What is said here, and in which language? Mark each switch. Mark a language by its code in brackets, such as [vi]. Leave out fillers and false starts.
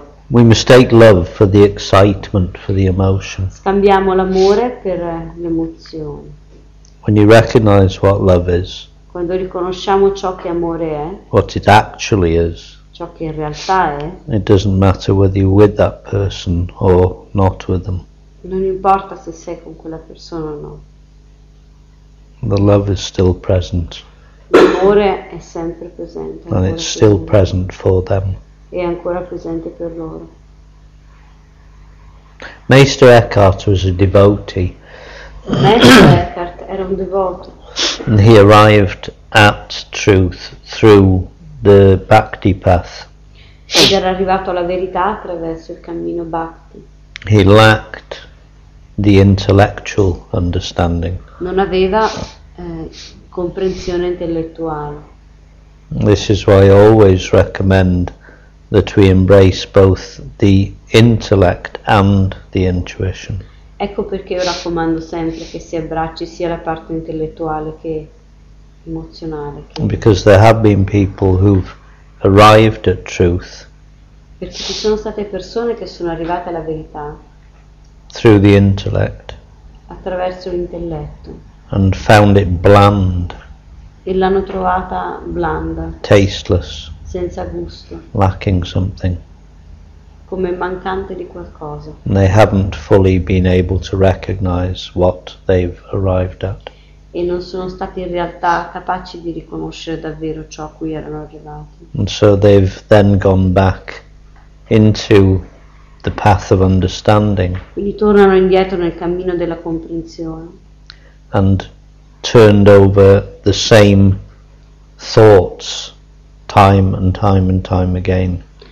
[en] We mistake love for the excitement, for the emotion. [it] Scambiamo l'amore per l'emozione. [en] When you recognize what love is, [it] quando riconosciamo ciò che amore è, [en] what it actually is, [it] ciò che in realtà è, [en] it doesn't matter whether you're with that person or not with them. [it] Non importa se sei con quella persona o no. [en] The love is still present. [it] L'amore è sempre presente. [en] And it's still present for them. [it] È ancora presente per loro. [en] Meister Eckhart was a devotee. [it] Meister Eckhart era un devoto. [en] And he arrived at truth through the bhakti path. [it] Ed era arrivato alla verità attraverso il cammino bhakti. [en] He lacked the intellectual understanding. [it] Non aveva comprensione intellettuale. [en] This is why I always recommend that we embrace both the intellect and the intuition. [it] Ecco perché io raccomando sempre che si abbracci sia la parte intellettuale che emozionale. [en] Because there have been people who've arrived at truth. [it] Perché ci sono state persone che sono arrivate alla verità. [en] Through the intellect. [it] Attraverso l'intelletto. [en] And found it bland. [it] E l'hanno trovata blanda. [en] Tasteless. [it] Senza gusto. [en] Lacking something. [it] Come mancante di qualcosa. [en] And they haven't fully been able to recognize what they've arrived at. [it] E non sono stati in realtà capaci di riconoscere davvero ciò a cui erano arrivati. [en] And so they've then gone back into the path of understanding. [it] Quindi tornano indietro nel cammino della comprensione. [en] And turned over the same thoughts time and time and time again.